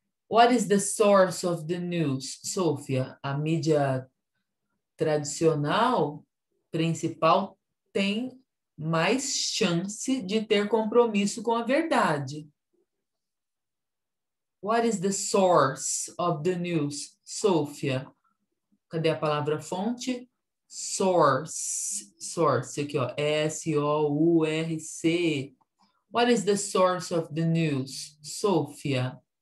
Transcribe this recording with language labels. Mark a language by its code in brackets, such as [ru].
[en] What is the source of the news, Sofia? [pt] A mídia tradicional principal tem mais chance de ter compromisso com a verdade. [en] What is the source of the news, Sofia? [pt] Cadê a palavra fonte? Source, aqui ó, Source. [en] What is the source of the news, Sophia?